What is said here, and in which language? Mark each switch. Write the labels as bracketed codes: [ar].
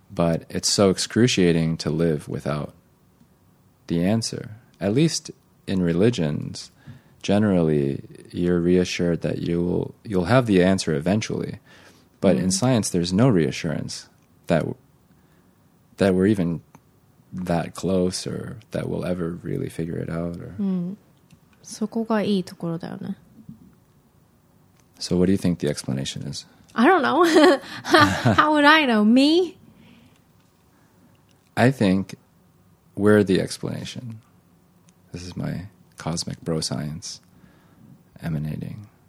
[en] But it's so excruciating to live without the answer, at least in religions. Generally, you're reassured that you'll have the answer eventually. But mm-hmm. in science, there's no reassurance that we're even that close or that we'll ever really figure it out. Or... Mm. [ja] そこがいいところだよね。 [en] So what do you think the explanation is? I don't know. How would I know? Me? I think we're the explanation. This is my... cosmic bro science emanating.